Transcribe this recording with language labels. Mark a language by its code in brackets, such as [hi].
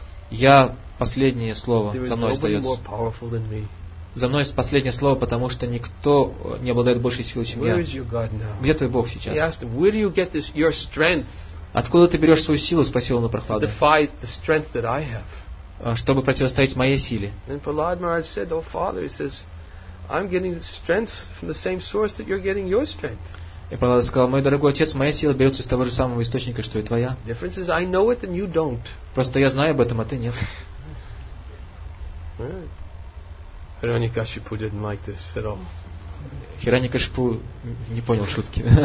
[ru] Я последнее слово. За мной остается. За мной последнее слово, потому что никто не обладает большей силой, чем я. Где твой Бог сейчас? [en] He asked him, where do you get this, your strength? [ru] Откуда ты берешь свою силу? Спросил он у Прохлады. [en] To fight the strength that I have. [ru] Чтобы противостоять моей силе. [en] And Prahlad Maharaj said, oh father, he says, I'm getting strength from the same source that you're getting your strength. [ru] И Прохлада сказал, мой дорогой отец, моя сила берется из того же самого источника, что и твоя. [en] Difference is, I know it and you don't. [ru] Просто я знаю об этом, а ты нет. [en] Hiranyakashipu didn't like this at all. [ru] Hiranyakashipu не понял шутки.